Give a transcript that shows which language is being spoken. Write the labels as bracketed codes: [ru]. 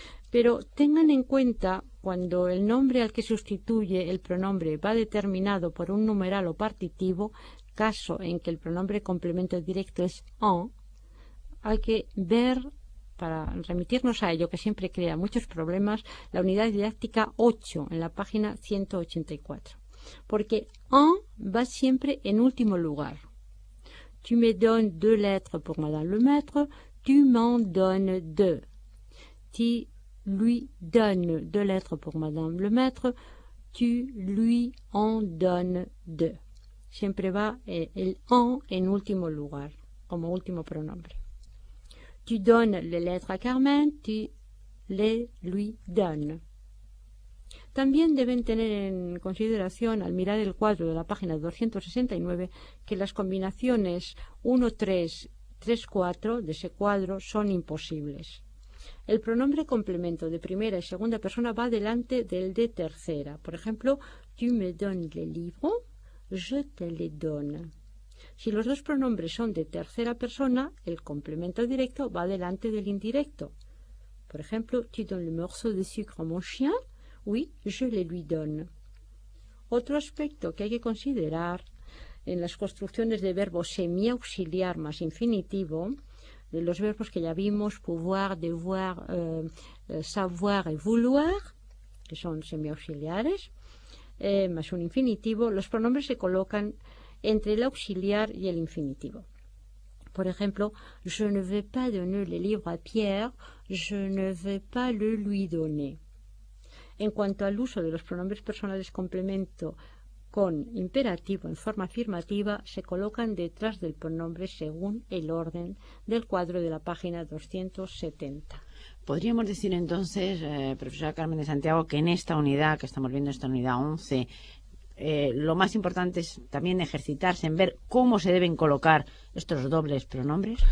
[es] Pero tengan en cuenta, cuando el nombre al que sustituye el pronombre va determinado por un numeral o partitivo, caso en que el pronombre complemento directo es en, hay que ver, para remitirnos a ello, que siempre crea muchos problemas, la unidad didáctica 8, en la página 184. Porque en va siempre en último lugar. [fr] Tu me donnes deux lettres pour madame le maître, tu m'en donnes deux. Tu lui donnes deux lettres pour madame le maître, tu lui en donnes deux. [es] Siempre va el en último lugar, como último pronombre. [fr] Tu donnes les lettres à Carmen, tu les lui donnes. [es] También deben tener en consideración, al mirar el cuadro de la página 269, que las combinaciones 1, 3, 3, 4 de ese cuadro son imposibles. El pronombre complemento de primera y segunda persona va delante del de tercera. Por ejemplo, [fr] tu me donnes les livres, je te les donne. [es] Si los dos pronombres son de tercera persona, el complemento directo va delante del indirecto. Por ejemplo, [fr] tu donnes le morceau de sucre à mon chien, oui, je le lui donne. [es] Otro aspecto que hay que considerar en las construcciones de verbo semi-auxiliar más infinitivo, de los verbos que ya vimos, pouvoir, devoir, savoir y vouloir, que son semi-auxiliares, más un infinitivo, los pronombres se colocan entre el auxiliar y el infinitivo. Por ejemplo, [fr] je ne vais pas donner le livre à Pierre, je ne vais pas le lui donner. [es] En cuanto al uso de los pronombres personales complemento con imperativo en forma afirmativa, se colocan detrás del pronombre según el orden del cuadro de la página 270. Podríamos decir entonces, profesora Carmen de Santiago, que en esta unidad, que estamos viendo esta unidad 11, lo más importante es también ejercitarse en ver cómo se deben colocar estos dobles pronombres.